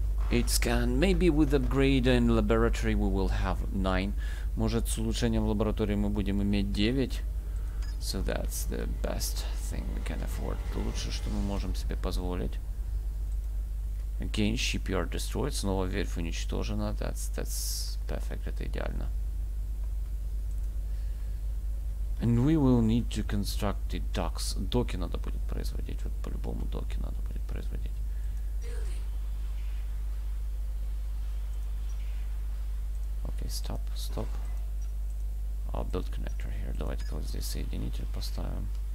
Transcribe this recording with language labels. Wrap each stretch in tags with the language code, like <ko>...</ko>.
<en>It can maybe with upgrade in laboratory we will have 9.</en> <ru>Может, с улучшением в лаборатории мы будем иметь 9.</ru> <en>So that's the best thing we can afford.</en> <ru>Это лучше, что мы можем себе позволить.</ru> <en>Again, shipyard destroyed.</en> <ru>Снова верфь уничтожена.</ru> <en>That's perfect.</en> <ru>Это идеально.</ru> <en>And we will need to construct the docks.</en> <ru>Доки надо будет производить. Вот по-любому доки надо будет производить.</ru> <en>Okay, stop, stop. I'll build connector here.</en> <ru>Давайте-ка вот здесь соединитель поставим.</ru>